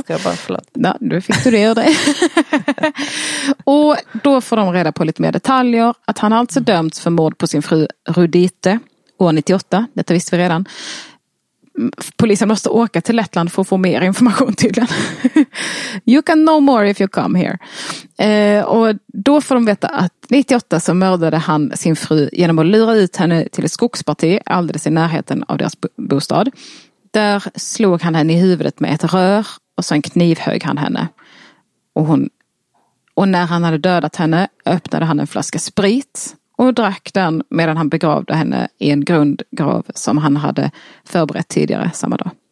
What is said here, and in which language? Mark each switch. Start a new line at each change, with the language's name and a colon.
Swedish: Ska jag bara förlåt? Ja, nu fick du det. Och då får de reda på lite mer detaljer. Att han alltså dömts för mord på sin fru Rudite år 98. Detta visste vi redan. Polisen måste åka till Lettland för att få mer information tydligen.
English: You can know more if you come here.
Swedish: Och då får de veta att 98 så mördade han sin fru genom att lura ut henne till ett skogsparti alldeles i närheten av deras bostad. Där slog han henne i huvudet med ett rör och sen knivhög han henne. Och när han hade dödat henne öppnade han en flaska sprit och drack den medan han begravde henne i en grundgrav som han hade förberett tidigare samma dag.